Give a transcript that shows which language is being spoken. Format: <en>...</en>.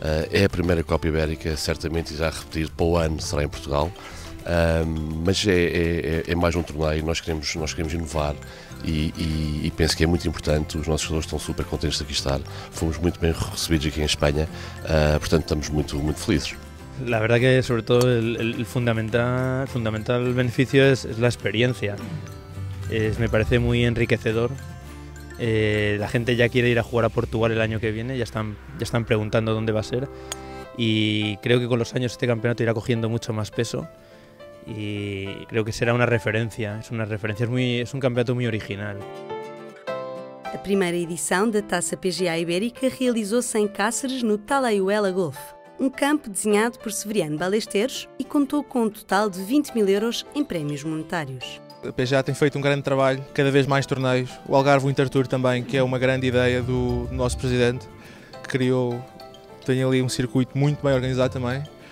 <pt>É a primeira Copa Ibérica, certamente já a repetir para o ano será em Portugal. Mas é mais um torneio, nós queremos inovar e penso que é muito importante. Os nossos jogadores estão super contentes de aqui estar, fomos muito bem recebidos aqui em Espanha, portanto estamos muito, muito felizes.</pt> <es>La verdad que sobre todo el fundamental beneficio es la experiencia. Me parece muy enriquecedor. La gente ya quiere ir a jugar a Portugal el año que viene, ya están preguntando dónde va a ser, y creo que con los años este campeonato irá cogiendo mucho más peso. Y creo que será una referencia, es un campeonato muy original.</es> <pt>A primeira edição da Taça PGA Ibérica realizou-se em Cáceres, no Talayuela Golf, um campo desenhado por Severiano Balesteros, e contou com um total de 20 mil euros em prémios monetários. A PGA tem feito um grande trabalho, cada vez mais torneios. O Algarve Winter Tour também, que é uma grande ideia do nosso presidente, que criou, tem ali um circuito muito bem organizado também.</pt>